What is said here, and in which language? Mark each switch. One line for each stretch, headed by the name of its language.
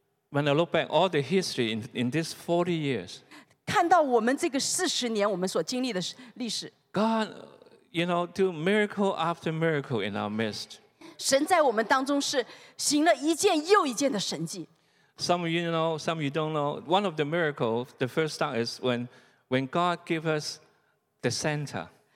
English: When I look back all the history in these 40 years,
Chinese: 看到我们这个40年我们所经历的历史。
English: God, you know, do miracle after miracle in our midst.
Chinese: 神在我们当中是行了一件又一件的神迹。
English: Some of you know, some of you don't know. One of the miracles, the first start is when God gave us the center.